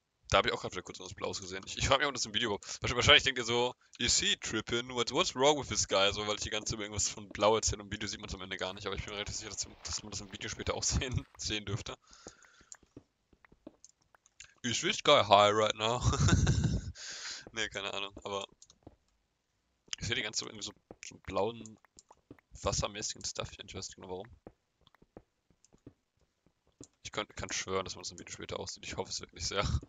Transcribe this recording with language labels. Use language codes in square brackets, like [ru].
[de] Da habe ich auch gerade wieder kurz was Blaues gesehen. Ich frage mich, ob das im Video überhaupt. Wahrscheinlich denkt ihr so, [en] you see trippin', what's wrong with this guy? [de] So, weil ich die ganze Zeit irgendwas von blau erzähle. Im Video sieht man es am Ende gar nicht, aber ich bin mir relativ sicher, dass man das im Video später auch sehen dürfte. [en] Is this guy high right now? [de] Nee, keine Ahnung, aber ich sehe die ganze Zeit irgendwie so blauen, wassermäßigen Stuff hier. Ich weiß nicht genau warum. Ich kann schwören, dass man das im Video später auch sieht. Ich hoffe es wirklich sehr.